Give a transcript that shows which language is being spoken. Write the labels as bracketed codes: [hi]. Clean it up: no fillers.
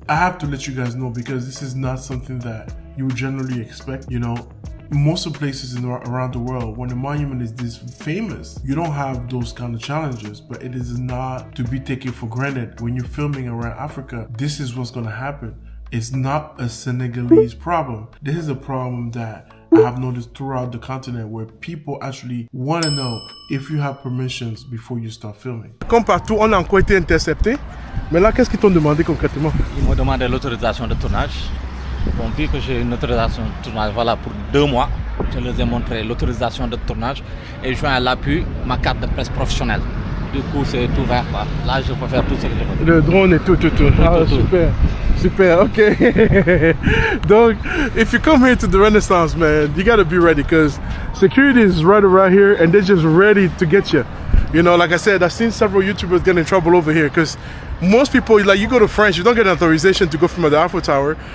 [en] I have to let you guys know because this is not something that you would generally expect, you know, most of places in around the world, when a monument is this famous, you don't have those kind of challenges, but it is not to be taken for granted. When you're filming around Africa, this is what's gonna happen. It's not a Senegalese problem. This is a problem that I have noticed throughout the continent where people actually wanna know if you have permissions before you start filming. [fr] Comme partout, on a encore été intercepté. Mais là, qu'est-ce qu'ils t'ont demandé concrètement? Ils m'ont demandé l'autorisation de tournage. On dit que j'ai une autorisation de tournage voilà, pour 2 mois. Je leur ai montré l'autorisation de tournage et joint à l'appui ma carte de presse professionnelle. Du coup, c'est tout vert là. Là, je peux faire tout ce que je veux. Le drone est tout. Super. Super, ok. Donc, [en] if you come here to the Renaissance, man, you gotta be ready because security is right around here and they're just ready to get you. You know, like I said, I've seen several YouTubers get in trouble over here because most people, like you go to France, you don't get an authorization to go film at the Eiffel Tower.